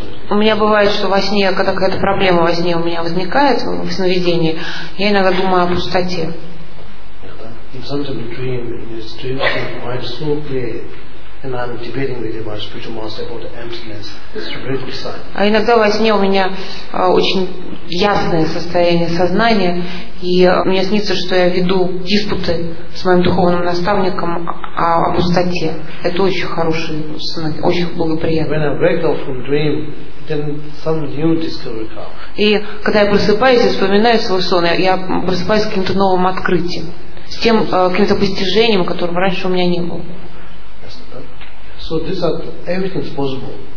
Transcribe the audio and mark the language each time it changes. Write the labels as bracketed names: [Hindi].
[Russian] У меня бывает, что во сне, когда какая-то проблема во сне у меня возникает в сновидении, я иногда думаю о пустоте. [English] In sometimes dream, in this dream, my mind is so clear, and I'm debating with my spiritual master about emptiness. It's a very good sign. [Russian] А иногда во сне у меня очень ясное состояние сознания, и мне снится, что я веду диспуты с моим духовным наставником о пустоте. Это очень хороший сон, очень благоприятный. [English] When I wake up from dream, then some new discovery comes. [Russian] И когда я просыпаюсь и вспоминаю свой сон, я просыпаюсь с каким-то новым открытием, с тем каким-то постижением, которого раньше у меня не было. [English] So this are everything is possible.